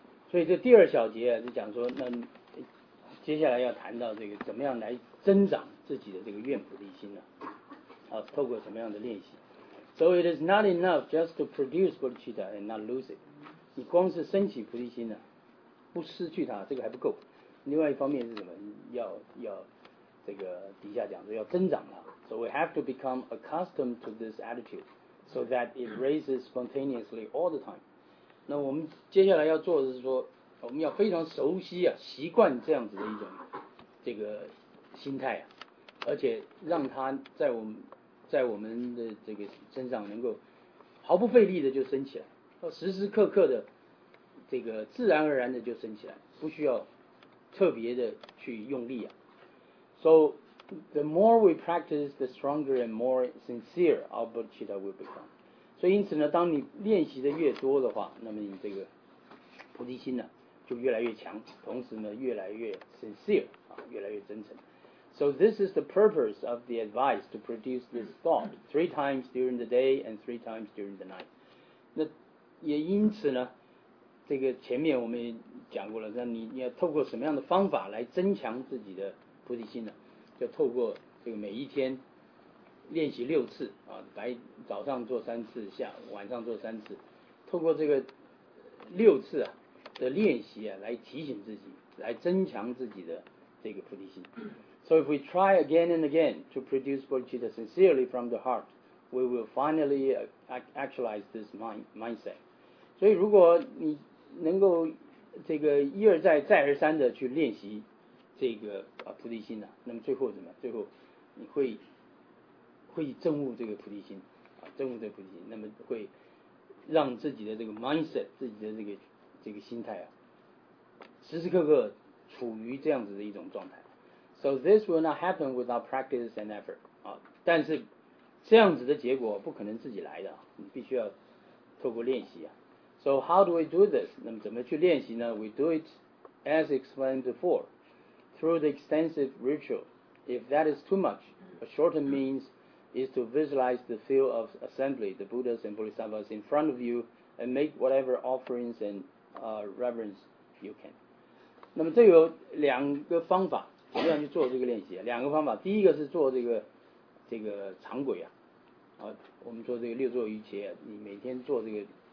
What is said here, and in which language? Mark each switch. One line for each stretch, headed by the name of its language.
Chinese: 所以这第二小节是讲说，那接下来要谈到这个怎么样来增长自己的这个愿菩提心呢？
English: 啊，
Chinese: 透过什么样的练习
English: ？So it is not enough just to produce bodhicitta and not lose it。
Chinese: 你光是升起菩提心呢，不失去它，这个还不够。另外一方面是什么？要这个底下讲说要增长了。
English: So we have to become accustomed to this attitude so that it raises spontaneously all the time。
Chinese: 那我们接下来要做的是说，我们要非常熟悉啊，习惯这样子的一种这个心态啊，而且让它在我们的这个身上能够毫不费力的就升起来，要时时刻刻的这个自然而然的就升起来，不需要特别的去用力啊。
English: So the more we practice, the stronger and more sincere our bodhicitta will become.
Chinese: 所以因此呢，当你练习的越多的话，那么你这个菩提心呢就越来越强，同时呢越来越 sincere，啊，越来越真诚。
English: So this is the purpose of the advice to produce this thought three times during the day and three times during the night。
Chinese: 那也因此呢，这个前面我们也讲过了，那 你要透过什么样的方法来增强自己的菩提心呢？就透过这个每一天练习六次啊，早上做三次，下晚上做三次，透过这个六次啊的练习啊，来提醒自己，来增强自己的这个菩提心。
English: So if we try again and again to produce bodhicitta sincerely from the heart, we will finally actualize this mindset.
Chinese: 所以如果你能够这个一而再、再而三的去练习这个啊菩提心呢，啊，那么最后怎么？最后你会证悟这个菩提心，啊，证悟这个菩提心，那么会让自己的这个 mindset， 自己的这个心态啊，时时刻刻处于这样子的一种状态。
English: So this will not happen without practice and effort，
Chinese: 啊，但是这样子的结果不可能自己来的，你必须要透过练习啊。
English: So how do we do this？
Chinese: 那么怎么去练习呢
English: ？We do it as explained before through the extensive ritual. If that is too much, a shorter means is to visualize the field of assembly, the Buddhas and Bodhisattvas in front of you, and make whatever offerings and reverence you can.
Chinese: 那么这有两个方法，怎么样去做这个练习？两个方法，第一个是做这个常轨啊，我们做这个六座瑜伽，你每天做这个